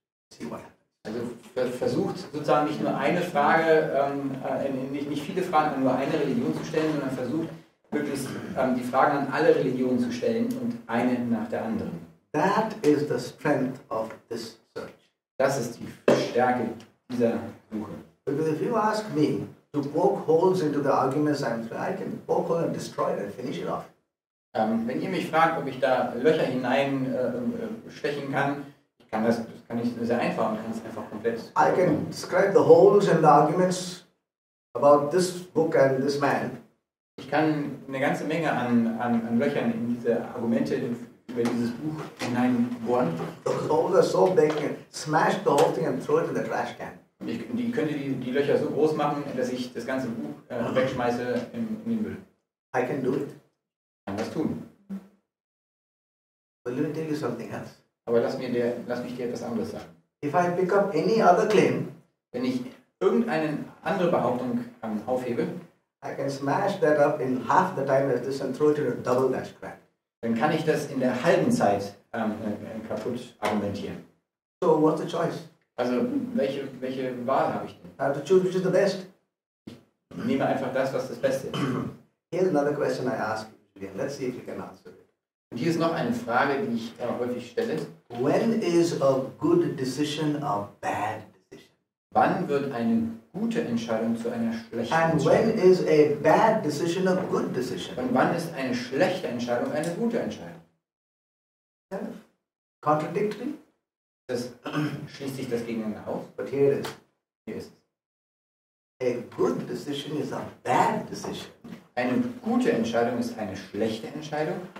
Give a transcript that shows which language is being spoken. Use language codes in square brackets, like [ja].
[en] See what happens. [de] Also versucht sozusagen nicht nur eine Frage, nicht viele Fragen an nur eine Religion zu stellen, sondern versucht möglichst die Fragen an alle Religionen zu stellen und eine nach der anderen. [en] That is the strength of this search. [de] Das ist die Stärke dieser Suche. [en] Because if you ask me to poke holes into the arguments, I can poke holes and destroy it and finish it off. [de] Wenn ihr mich fragt, ob ich da Löcher hinein stechen kann, kann ich sehr einfach und kann es einfach komplett. [en] I can describe the holes and the arguments about this book and this man. [de] Ich kann eine ganze Menge an Löchern in diese Argumente über dieses Buch hinein bohren. [en] The holes are so big, smash the whole thing and throw it in the trash can. [de] Ich könnte die Löcher so groß machen, dass ich das ganze Buch wegschmeiße in den Müll. [en] I can do it. [de] Das tun. [en] But let me tell you something else. [de] Aber lass mich dir etwas anderes sagen. [en] If I pick up any other claim, [de] wenn ich irgendeine andere Behauptung aufhebe, [en] I can smash that up in half the time as this and throw it in a double dash crack. [de] Dann kann ich das in der halben Zeit kaputt argumentieren. [en] So what's the choice? [de] Also welche Wahl habe ich denn? [en] I have to choose which is the best. [de] Ich nehme einfach das, was das Beste ist. [en] Here's another question I ask. Let's see if you can answer it. [de] Und hier ist noch eine Frage, die ich häufig stelle. [en] When is a good decision a bad decision? [de] Wann wird eine gute Entscheidung zu einer schlechten [en] And [de] Entscheidung? [en] When is a bad decision a good decision? [de] Und wann ist eine schlechte Entscheidung eine gute Entscheidung? [en] Yeah. Contradictory? [de] Das schließt sich das gegeneinander aus. [en] But here it is. [de] Hier ist es. [en] A good decision is a bad decision. [de] Eine gute Entscheidung ist eine schlechte Entscheidung.